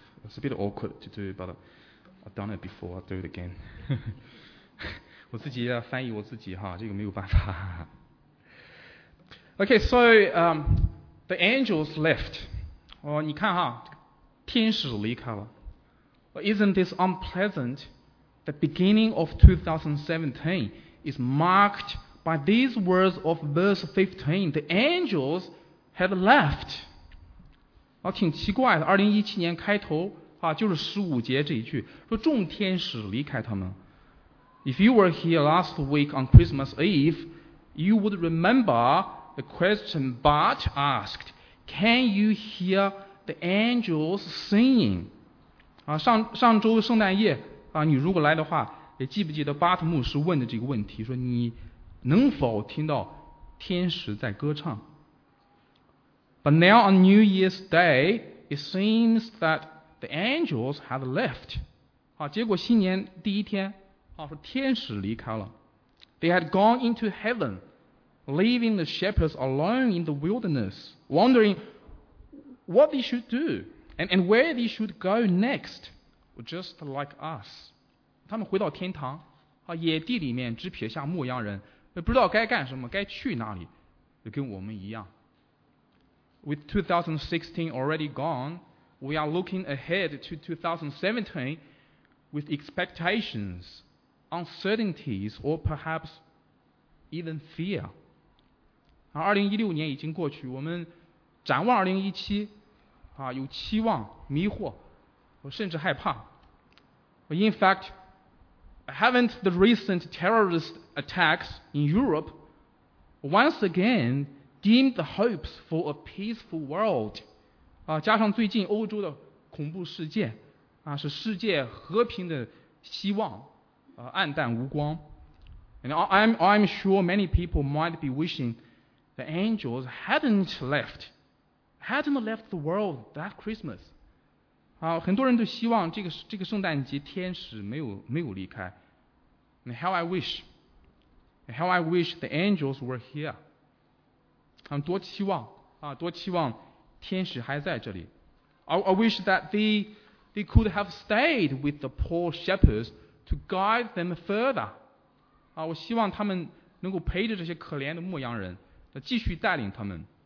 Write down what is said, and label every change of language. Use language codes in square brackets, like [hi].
[en] It's a bit awkward to do, but I've done it before. I'll do it again. [zh] 我自己要翻译我自己哈，这个没有办法。 [en] Okay, so the angels left. [zh] 你看哈，天使离开了。 [en] Isn't this unpleasant? The beginning of 2017 is markedby these words of verse 15, the angels had left. [zh] 挺奇怪的，2017年开头啊，就是十五节这一句，说众天使离开他们。 [en] If you were here last week on Christmas Eve, you would remember the question Bart asked, can you hear the angels singing? [zh] 上周圣诞夜啊，你如果来的话，也记不记得巴特牧师问的这个问题，说你能否听到天使在歌唱？ [en] But now on New Year's Day, it seems that the angels had left. [zh] 结果新年第一天，说天使离开了。 [en] They had gone into heaven, leaving the shepherds alone in the wilderness, wondering what they should do and where they should go next, just like us. [zh] 他们回到天堂，野地里面只撇下牧羊人，不知道该干什么，该去哪里，跟我们一样。 [en] With 2016 already gone, we are looking ahead to 2017 with expectations, uncertainties, or perhaps even fear. [zh] 2016年已经过去，我们展望2017，有期望、迷惑，甚至害怕。 [en] In fact,Haven't the recent terrorist attacks in Europe once again dimmed the hopes for a peaceful world? [zh] 加上最近欧洲的恐怖事件，使世界和平的希望，暗淡无光。 [en] And I'm sure many people might be wishing the angels hadn't left the world that Christmas. [zh] 很多人都希望这个圣诞节天使没有离开。 [en] And how I wish the angels were here. [zh] 多期望天使还在这里。 [en] I wish that they could have stayed with the poor shepherds to guide them further. [zh] 啊，我希望他们能够陪着这些可怜的牧羊人，继续带领他们。